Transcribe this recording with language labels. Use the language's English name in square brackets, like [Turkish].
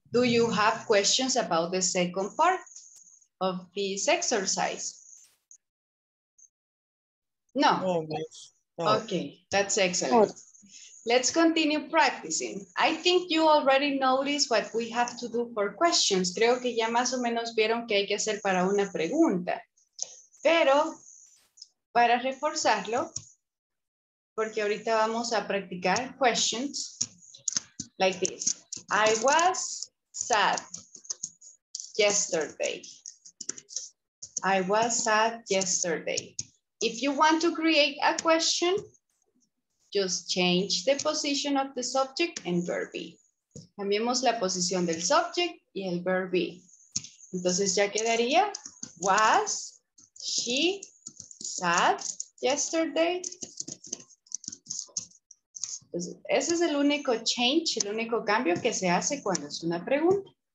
[English] Do you have questions about the second part of this exercise? No. No. Okay, that's excellent. let's continue practicing. I think you already noticed what we have to do for questions. [Spanish] Creo que ya más o menos vieron qué hay que hacer para una pregunta. Pero para reforzarlo, porque ahorita vamos a practicar [English] questions like this. I was sad yesterday. I was sad yesterday. If you want to create a question, just change the position of the subject and verb be. [Spanish] Cambiemos la posición del subject y el verb be. Entonces ya quedaría, [English] was she sad yesterday? [Spanish] Pues ese es el único change, el único cambio que se hace cuando es una pregunta.